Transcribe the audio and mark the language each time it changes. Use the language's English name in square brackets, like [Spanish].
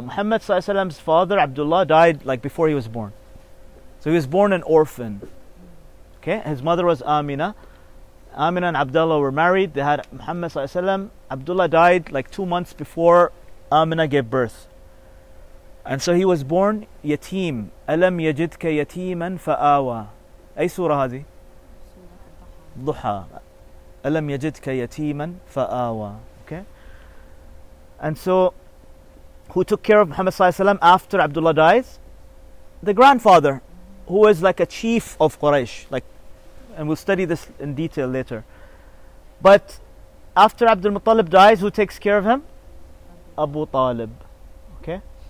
[English] Muhammad Sallallahu Alaihi Wasallam's father, Abdullah, died like before he was born. So he was born an orphan. Okay? His mother was Amina. Amina and Abdullah were married. They had Muhammad Sallallahu Alaihi Wasallam. Abdullah died like 2 months before Amina gave birth. And so he was born yatim. [Arabic] أَلَمْ يَجِدْكَ يَتِيمًا فَآوَى أي سورة هذه؟ ضحى. أَلَمْ يَجِدْكَ يَتِيمًا فَآوَى. Okay? [English] And so, who took care of Muhammad Sallallahu Alaihi Wasallam after Abdullah dies? The grandfather, who was like a chief of Quraysh. Like, and we'll study this in detail later. But after Abdul Muttalib dies, who takes care of him? Abu Talib. Okay?